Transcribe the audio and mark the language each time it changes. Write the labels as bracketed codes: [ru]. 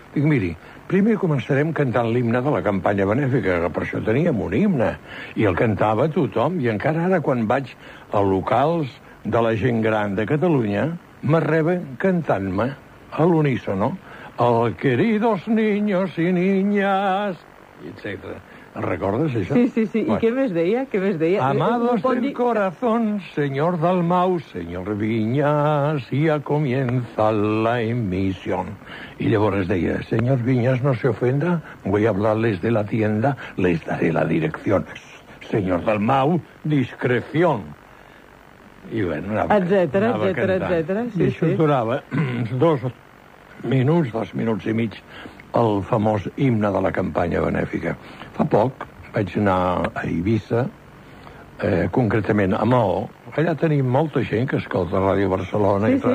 [ca] Dic, miri, primer començarem cantant l'himne de la campanya benèfica, que per això teníem un himne, i el cantava tothom, i encara ara quan vaig a locals de la gent gran de Catalunya, me reben cantant-me a l'unísono, [es] el queridos niños y niñas, [ca] etc. Recordes això? Sí. Bueno. I què més deia? [es] Amados del corazón, señor Dalmau, señor Vinyes, ya comienza la emisión. [ca] I llavors deia, [es] señor Vinyes, no se ofenda, voy a hablarles de la tienda, les daré la dirección. Señor Dalmau, discreción. [ca] I bé, bueno, anava cantant. Sí, I això durava 2 minuts i mig, el famós himne de la campanya benèfica. Fa poc vaig anar a Eivissa, concretament a Maó. Allà tenim molta gent que escolta Ràdio Barcelona